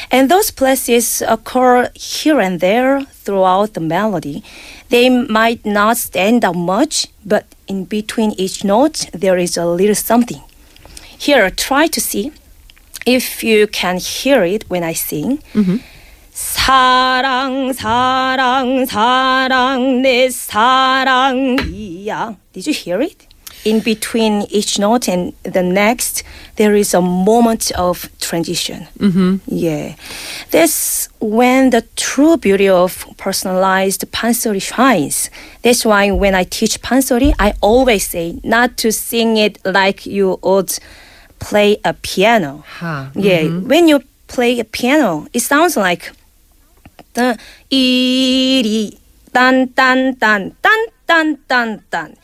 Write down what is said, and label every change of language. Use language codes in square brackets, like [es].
[en] And those places occur here and there throughout the melody. They might not stand out much, but in between each note, there is a little something. Here, try to see if you can hear it when I sing. Mm-hmm. [ko] 사랑, 사랑, 사랑, 내 사랑이야. [en] Did you hear it? In between each note and the next, there is a moment of transition. Mm-hmm. Yeah. That's when the true beauty of personalized Pansori shines. That's why when I teach Pansori, I always say not to sing it like you would play a piano. Huh. Yeah. Mm-hmm. When you play a piano, it sounds like iri dan dan dan dan dan dan dan.